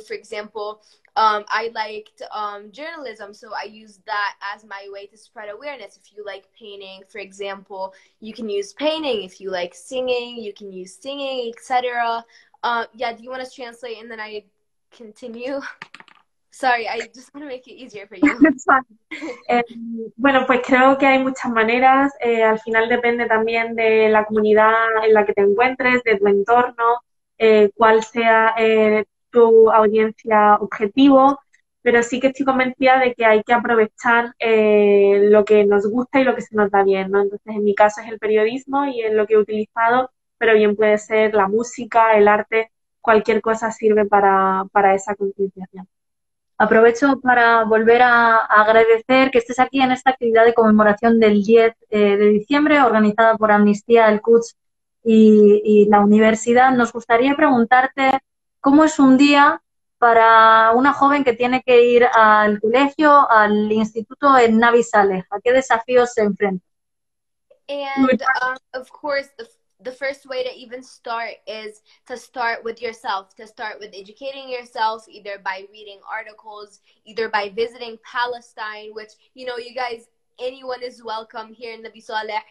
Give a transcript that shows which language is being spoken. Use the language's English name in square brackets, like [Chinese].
[English] For example, I liked journalism, so I used that as my way to spread awareness. If you like painting, for example, you can use painting. If you like singing, you can use singing, etc. Yeah, do you want to translate and then I continue? Sorry, I just want to make it easier for you. That's fine. [Spanish] Bueno, pues creo que hay muchas maneras. Al final depende también de la comunidad en la que te encuentres, de tu entorno, cuál sea tu audiencia objetivo. Pero sí que estoy convencida de que hay que aprovechar lo que nos gusta y lo que se nos da bien, ¿no? Entonces, en mi caso es el periodismo y es lo que he utilizado, pero bien puede ser la música, el arte, cualquier cosa sirve para esa concienciación. Aprovecho para volver a agradecer que estés aquí en esta actividad de conmemoración del 10 de diciembre organizada por Amnistía, el Quds y la Universidad. Nos gustaría preguntarte cómo es un día para una joven que tiene que ir al colegio, al instituto en Navi Saleh. ¿A qué desafíos se enfrenta? [English] And of course, the first way to even start is to start with yourself, to start with educating yourself, either by reading articles, either by visiting Palestine, which, you know, you guys, anyone is welcome here in Navi Saleh.